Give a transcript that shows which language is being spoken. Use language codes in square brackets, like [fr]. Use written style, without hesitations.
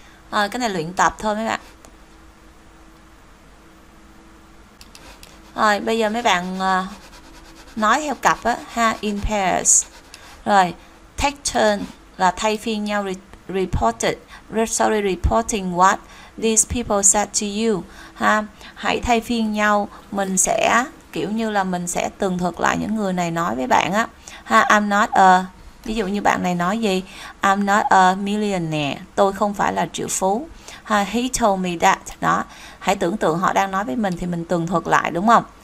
[vi] À, cái này luyện tập thôi mấy bạn. Rồi bây giờ mấy bạn nói theo cặp á ha, [en] in pairs. [vi] Rồi [en] take turn [vi] là thay phiên nhau, reported. [en] Sorry, reporting what these people said to you ha. [vi] Hãy thay phiên nhau, mình sẽ kiểu như là mình sẽ tường thuật lại những người này nói với bạn á ha. [en] I'm not a, [vi] ví dụ như bạn này nói gì, [en] I'm not a millionaire, [vi] tôi không phải là triệu phú ha. [en] He told me that, [vi] đó, hãy tưởng tượng họ đang nói với mình thì mình tường thuật lại đúng không.